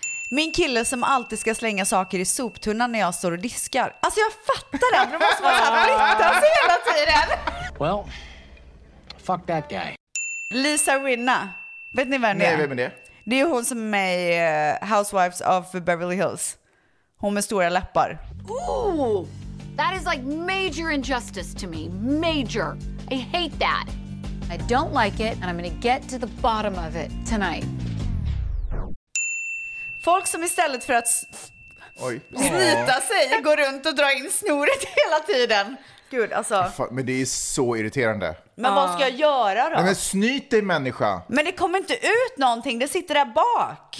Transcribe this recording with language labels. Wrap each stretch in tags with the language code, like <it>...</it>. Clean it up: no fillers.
<sv>Min kille som alltid ska slänga saker i soptunnan när jag står och diskar. Alltså jag fattar det, men måste vara så här flyttas hela tiden.</sv> <en>Well, fuck that guy.</en> <sv>Lisa Rinna. Vet ni vem det är? Nej, vem är det? Det är hon som är med Housewives of Beverly Hills. Hon med stora läppar.</sv> <en>Ooh, that is like major injustice to me. Major. I hate that. I don't like it and I'm going to get to the bottom of it tonight.</en> <sv>Folk som istället för att snyta sig går runt och drar in snoret hela tiden. Gud, alltså. Men det är så irriterande. Men vad ska jag göra då? Men snyt dig, människa. Men det kommer inte ut någonting, det sitter där bak.</sv>